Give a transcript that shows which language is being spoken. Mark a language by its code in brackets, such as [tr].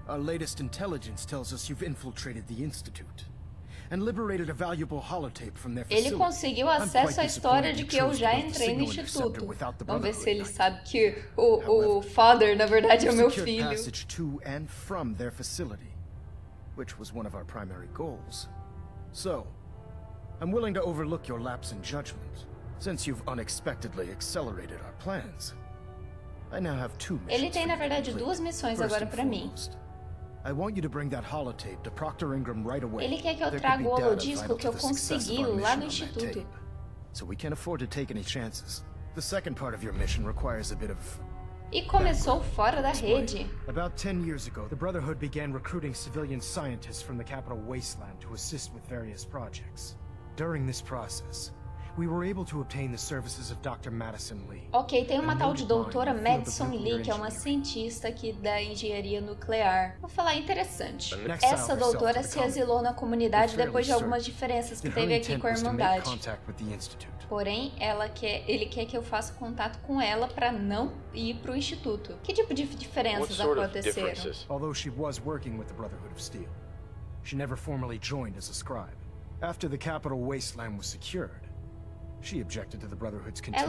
[en] Our latest intelligence tells us you've infiltrated the Institute. And liberated a valuable holotape from their facility. [pt] Ele conseguiu acesso à história de que eu já entrei no Instituto. Vamos ver se ele sabe que o Father, na verdade, é o meu filho. [en] Passage to and from their facility, which was one of our primary goals. So, I'm willing to overlook your lapse in judgment, since you've unexpectedly accelerated our plans. I now have two missions. [pt] Ele tem, na verdade, duas missões agora para mim. [en] I want you to bring that holotape to Proctor Ingram right away. [pt] Ele quer que eu traga o holodisco que eu consegui lá no instituto. [en] So we can't afford to take any chances. The second part of your mission requires a bit of. [pt] E começou fora da rede. [en] About 10 years ago, the Brotherhood began recruiting civilian scientists from the Capital Wasteland to assist with various projects. During this process, we were able to obtain the services of Dr. Madison Lee. [pt] OK, tem uma tal de doutora Madison Lee, que é uma cientista aqui da engenharia nuclear. Vou falar interessante. Essa doutora se exilou na comunidade depois de algumas diferenças que teve aqui com a Irmandade. Porém, ele quer que eu faça contato com ela para não ir pro instituto. Que tipo de diferenças aconteceram? [en] Although she was working with the Brotherhood of Steel, she never formally joined as a scribe. After the Capital Wasteland was secured, she objected to the Brotherhood's continued